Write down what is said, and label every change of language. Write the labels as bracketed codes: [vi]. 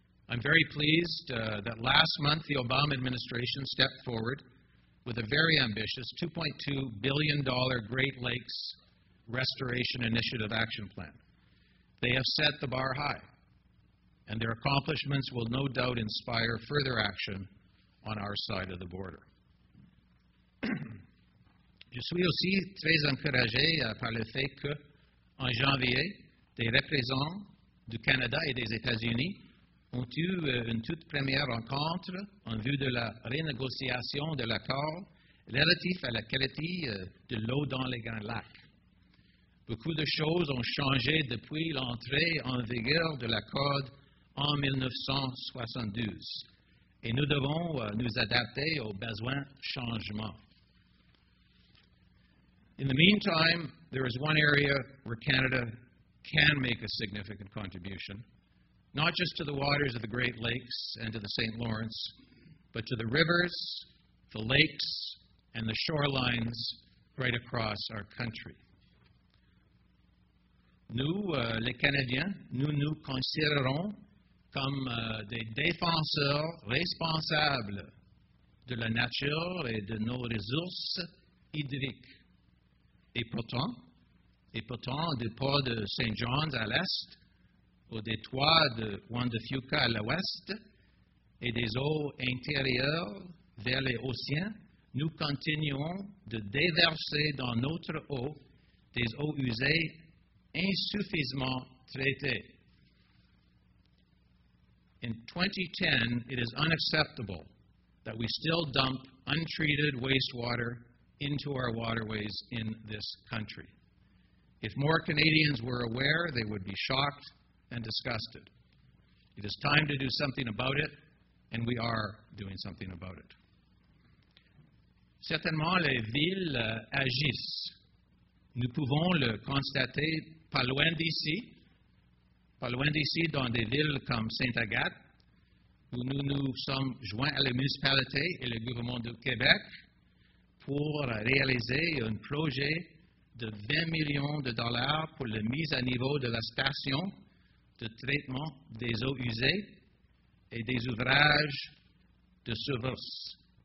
[en] I'm very pleased that last month the Obama administration stepped forward with a very ambitious $2.2 billion Great Lakes Restoration Initiative Action Plan. They have set the bar high, and their accomplishments will no doubt inspire further action on our side of the border. [fr] Je suis aussi très encouragé par le fait que, en janvier, des représentants du Canada et des États-Unis ont eu une toute première rencontre en vue de la renégociation de l'accord relatif à la qualité de l'eau dans les Grands Lacs. Beaucoup de choses ont changé depuis l'entrée en vigueur de l'accord en 1972 et nous devons nous adapter aux besoins changements. [en] In the meantime, there is one area where Canada can make a significant contribution, not just to the waters of the Great Lakes and to the St. Lawrence, but to the rivers, the lakes, and the shorelines right across our country. [fr] Nous, les Canadiens, nous nous considérons comme des défenseurs responsables de la nature et de nos ressources hydriques. Et pourtant, du port de St. John's à l'est, au détroit de Juan de Fuca à l'ouest et des eaux intérieures vers les océans, nous continuons de déverser dans notre eau des eaux usées insuffisamment traitées. [en] In 2010, it is unacceptable that we still dump untreated wastewater into our waterways in this country. If more Canadians were aware, they would be shocked and disgusted. It is time to do something about it, and we are doing something about it. [fr] Certainement, les villes agissent. Nous pouvons le constater pas loin d'ici, dans des villes comme Sainte-Agathe, où nous nous sommes joints à la municipalité et le gouvernement du Québec pour réaliser un projet de $20 million pour la mise à niveau de la station de traitement des eaux usées et des ouvrages de surface.